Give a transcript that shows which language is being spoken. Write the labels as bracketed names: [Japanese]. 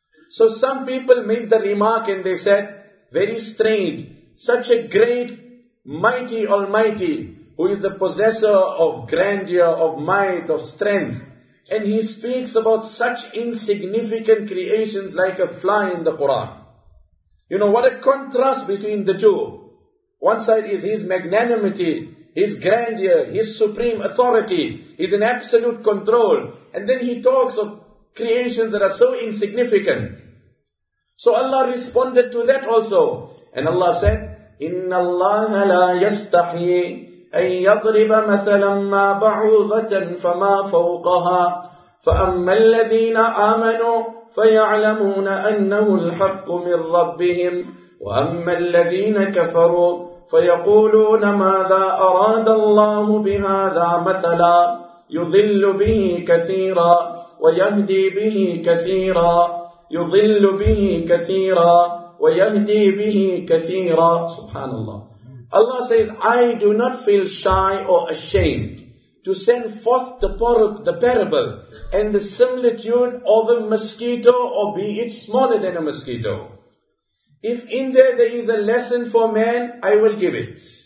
[English] So some people made the remark and they said, very strange, such a great, mighty Almighty, who is the possessor of grandeur, of might, of strength, and he speaks about such insignificant creations like a fly in the Quran. You know, what a contrast between the two. One side is his magnanimity, his grandeur, his supreme authority, his in absolute control, and then he talks of creations that are so insignificant. So Allah responded to that also, and Allah said, [Arabic] إِنَّ اللَّهَ لَا يَسْتَحْيِي أَن يَضْرِبَ مَثَلًا مَا بَعُوضَةً فَمَا فَوْقَهَا فَأَمَّا الَّذِينَ آمَنُوا فَيَعْلَمُونَ أَنَّهُ الْحَقُّ مِنْ رَبِّهِمْ وَأَمَّا الَّذِينَ كَفَرُوا فَيَقُولُونَ مَاذَا أَرَادَ اللَّهُ بِهَذَا مَثَلًا يُضِلُّ بِهِ كَثِيرًا وَيَهْدِي بِهِ كَثِيرًا يُضِلُّ بِهِ كَثِيرًا وَيَهْدِي بِهِ كَثِيرًا. سبحان الله. [English] Allah says, I do not feel shy or ashamed to send forth the parable and the similitude of a mosquito, or be it smaller than a mosquito. If in there is a lesson for man, I will give it.